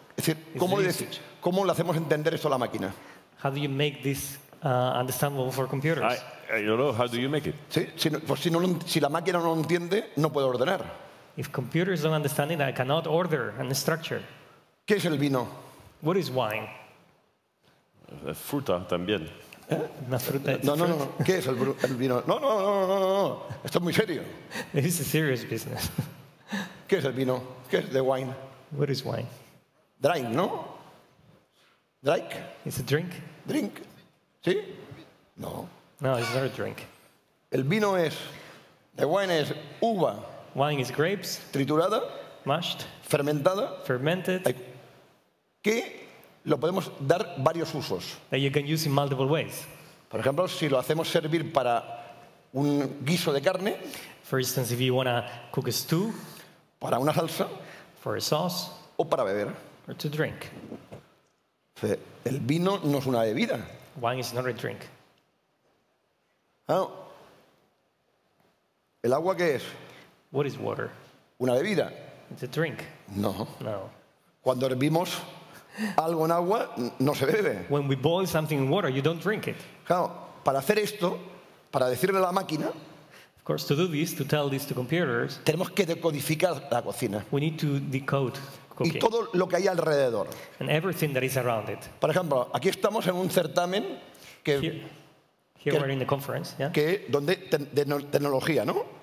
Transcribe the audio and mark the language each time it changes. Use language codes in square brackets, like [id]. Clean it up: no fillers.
[es] Es decir, ¿cómo le hacemos entender esto a la máquina? [en] How do you make this understandable for computers? I don't know. How do you make it? [es] Sí, si la máquina no lo entiende, no puede ordenar. [en] If computers don't understand it, I cannot order and structure. [es] ¿Qué es el vino? [en] What is wine? [es] Fruta también. ¿Eh? Fruta, no. ¿Qué es el vino? No. Esto es muy serio. [en] This is a serious business. [es] ¿Qué es el vino? ¿Qué es [en] the wine? What is wine? Drink, ¿no? Drink. It's a drink. Drink. ¿Sí? No. No, it's not a drink. [es] El vino es. [en] The wine is [es] uva. [en] Wine is grapes. [es] Triturada. [en] Mashed. [es] Fermentada. [en] Fermented. [es] ¿Qué? Lo podemos dar varios usos. [en] That you can use in multiple ways. [es] Por ejemplo, si lo hacemos servir para un guiso de carne. [en] For instance, if you want to cook a stew. [es] Para una salsa. [en] For a sauce. [es] O para beber. [en] Or to drink. [es] El vino no es una bebida. [en] Wine is not a drink. Oh. [es] ¿El agua qué es? [en] What is water? [es] Una bebida. [en] It's a drink. [es] No. [en] No. [es] Cuando hervimos algo en agua no se bebe. [en] When we boil something in water, you don't drink it. [es] Claro, para hacer esto, para decirle a la máquina, [en] of course, to do this, to tell this to computers, [es] tenemos que decodificar la cocina. [en] We need to decode cooking. [es] Y todo lo que hay alrededor. [en] And everything that is around it. [es] Por ejemplo, aquí estamos en un certamen [en] here we're in the conference, yeah? [es] Que donde tecnología, ¿no?